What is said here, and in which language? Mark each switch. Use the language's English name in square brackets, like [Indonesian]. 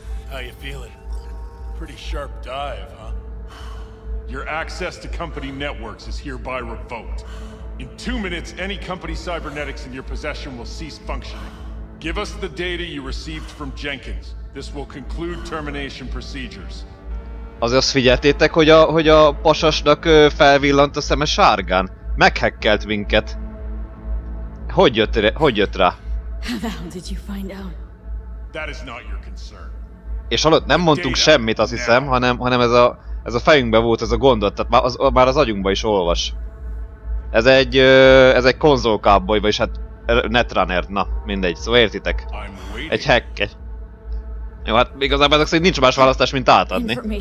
[English] How you feeling? Pretty sharp dive, huh? Your access to company networks is hereby revoked. In 2 minutes, any company cybernetics in your possession will cease functioning. Give us the data you received from Jenkins. This will conclude termination procedures. [Hungarian] Azt figyeltétek, hogy a pasasnak felvillant a szeme sárgán? Meghekkelt minket. Hogy jött rá? [English] How the hell did you find out? That is not your concern. [Hungarian] És alatt nem mondtunk semmit, azt hiszem, hanem ez a fejünkben volt ez a gondot, tehát már az agyunkban is olvas. Ez egy konzol cowboy, vagyis hát netrunner, na mindegy, szóval értitek. Egy hack. Jó, hát igazából ezek szerint nincs más választás, mint átadni.